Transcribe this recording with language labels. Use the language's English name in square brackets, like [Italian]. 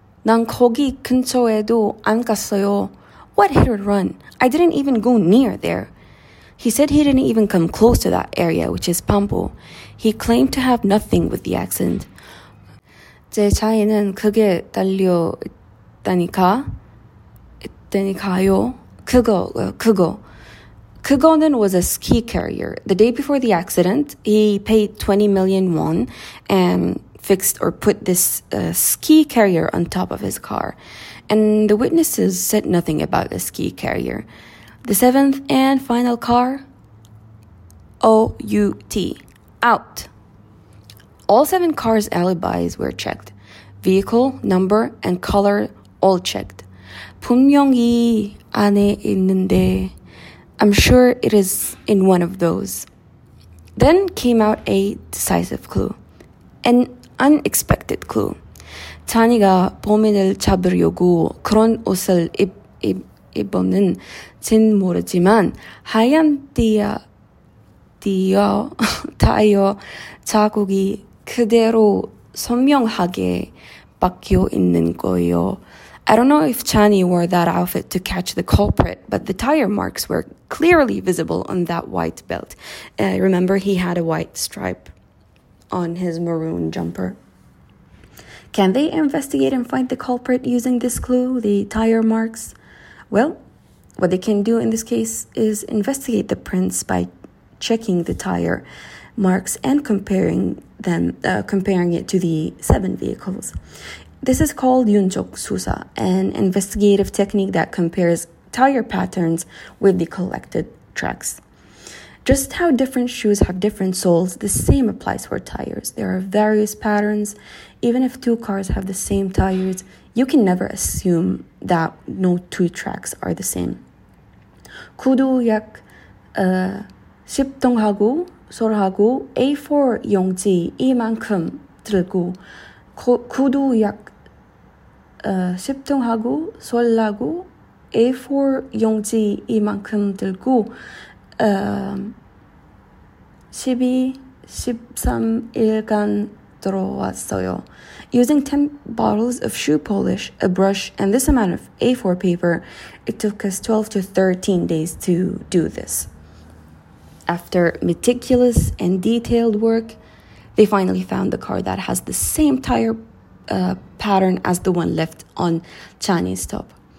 [Korean] 난 거기 근처에도 안 갔어요. [English] What hit or run? I didn't even go near there. He said he didn't even come close to that area, which is Pambo. He claimed to have nothing with the accident. [Korean] 제 차에는 그게 달려있다니까요. 그거. 그거는 [English] was a ski carrier. The day before the accident, he paid 20 million won and fixed or put this ski carrier on top of his car. and the witnesses said nothing about the ski carrier. The seventh and final car? O-U-T. Out. All seven cars' alibis were checked. Vehicle, number, and color all checked. [Korean] 분명히 안에 있는데. [English] I'm sure it is in one of those. Then came out a decisive clue. An unexpected clue. [Korean] 찬이가 범인을 잡으려고 그런 옷을 입었는 진 모르지만 하얀 타이어 자국이 그대로 선명하게 박혀 있는 거예요. [English] I don't know if Chani wore that outfit to catch the culprit, but the tire marks were clearly visible on that white belt. Remember, he had a white stripe on his maroon jumper. Can they investigate and find the culprit using this clue, the tire marks? Well, what they can do in this case is investigate the prints by checking the tire marks and comparing it to the seven vehicles. This is called 윤적 수사, an investigative technique that compares tire patterns with the collected tracks. Just how different shoes have different soles, the same applies for tires. There are various patterns. Even if two cars have the same tires, you can never assume that no two tracks are the same. [Korean] 구두 약 10동하고 솔하고 A4 용지 이만큼 들고 구두 약 10동하고 솔하고 A4 용지 이만큼 들고 12, 13일간 들어왔어요. [English] Using 10 bottles of shoe polish, a brush, and this amount of A4 paper, it took us 12 to 13 days to do this. After meticulous and detailed work, they finally found the car that has the same tire pattern as the one left on Chinese top.